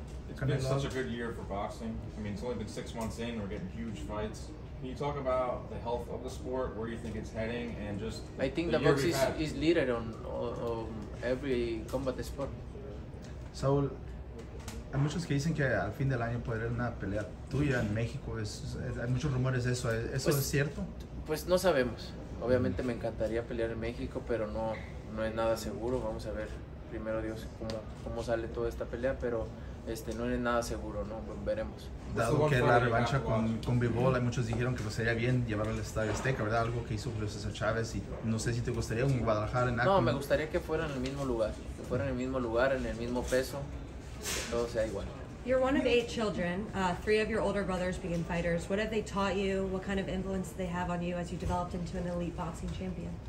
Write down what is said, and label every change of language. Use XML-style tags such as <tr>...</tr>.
<en>It's been such a good year for boxing. I mean, it's only been 6 months in, we're getting huge fights. Can you talk about the health of the sport, where you think it's heading, and just I think the box is leader on every combat sport.</en> <es>Saul, hay muchos que dicen que al fin del año puede haber una pelea tuya en México. Hay muchos rumores de eso. ¿Eso es cierto? Pues no sabemos. Obviamente me encantaría pelear en México, pero no es nada seguro. Vamos a ver primero Dios cómo sale toda esta pelea, pero no es nada seguro, ¿no? Veremos. Dado que la revancha con Bivol, muchos dijeron que sería bien llevarlo al Estadio Azteca, ¿verdad? Algo que hizo Julio César Chávez y no sé si te gustaría un Guadalajara en algo. No, me gustaría que fuera en el mismo lugar. Que fuera en el mismo lugar, en el mismo peso, que todo sea igual.</es> <en>You're one of eight children. Three of your older brothers became fighters. What have they taught you? What kind of influence did they have on you as you developed into an elite boxing champion?</en>